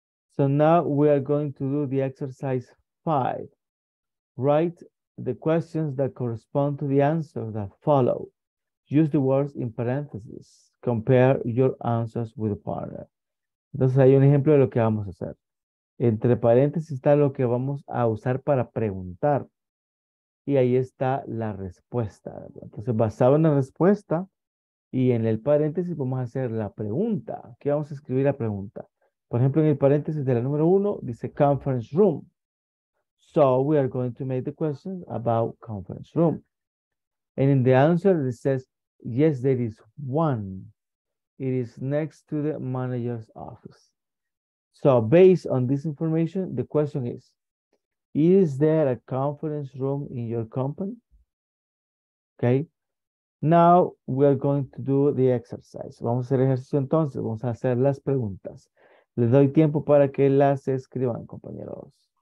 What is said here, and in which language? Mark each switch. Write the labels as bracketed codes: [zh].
[en] So now we are going to do the exercise 5. Write the questions that correspond to the answer that follow. Use the words in parentheses. Compare your answers with the partner. [es] Entonces hay un ejemplo de lo que vamos a hacer. Entre paréntesis está lo que vamos a usar para preguntar. Y ahí está la respuesta. Entonces, basado en la respuesta y en el paréntesis, vamos a hacer la pregunta. ¿Qué vamos a escribir la pregunta? Por ejemplo, en el paréntesis de la número uno, dice conference room. [en] So, we are going to make the question about conference room. And in the answer, it says, yes, there is one. It is next to the manager's office. So, based on this information, the question is, is there a conference room in your company? Okay. Now we are going to do the exercise. [es] Vamos a hacer ejercicio entonces. Vamos a hacer las preguntas. Les doy tiempo para que las escriban, compañeros.